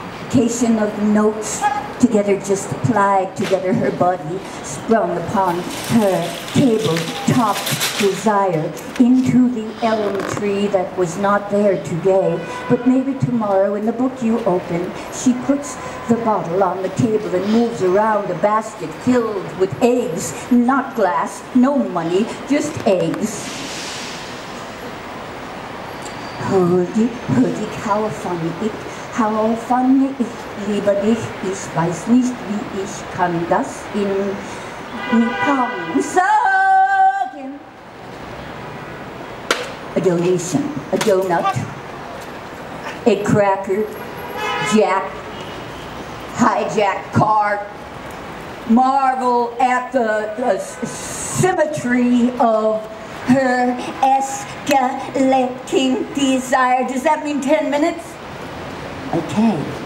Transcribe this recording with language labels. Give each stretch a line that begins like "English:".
English: Of notes together, just applied together, her body sprung upon her tabletop desire into the elm tree that was not there today, but maybe tomorrow in the book you open. She puts the bottle on the table and moves around a basket filled with eggs, not glass, no money, just eggs. Hoodie, hoodie, how funny it. How funny
German: ich liebe dich, ich weiß nicht, wie ich kann das in Nippon sagen.
English: A donation, a donut, a cracker, Jack, hijack car, marvel at the symmetry of her escalating desire. Does that mean 10 minutes? Okay.